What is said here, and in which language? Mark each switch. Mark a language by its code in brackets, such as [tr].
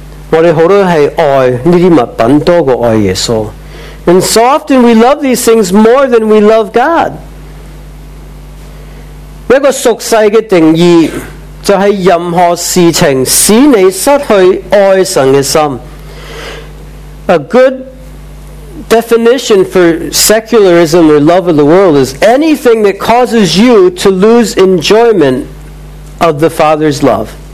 [yue] 我哋好多系爱呢啲物品多过爱耶稣。 [en] And so often we love these things more than we love God. [yue] 一个属世嘅定义就系任何事情使你失去爱神嘅心。A [en] good definition for secularism or love of the world is anything that causes you to lose enjoyment of the Father's love.